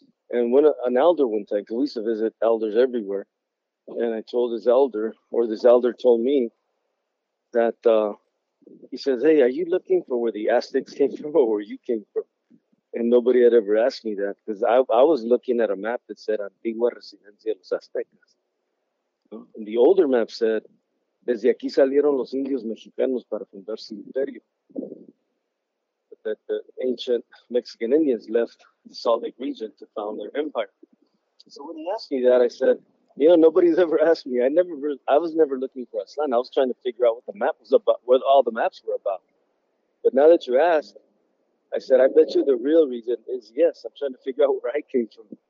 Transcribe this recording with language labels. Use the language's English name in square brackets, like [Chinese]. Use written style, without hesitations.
[English] And when an elder one time, because we used to visit elders everywhere, and I told this elder, or this elder told me that he says, hey, are you looking for where the Aztecs came from or where you came from? And nobody had ever asked me that, because I was looking at a map that said Antigua Residencia de los Aztecas. And the older map said, [Spanish] desde aquí salieron los indios mexicanos para fundar su imperio. [English] That the ancient Mexican Indians left the Salt Lake region to found their empire. So when he asked me that, I said, you know, nobody's ever asked me. I was never looking for Aztlan. I was trying to figure out what the map was about, what all the maps were about. But now that you ask, I said, I bet you the real reason is, yes, I'm trying to figure out where I came from.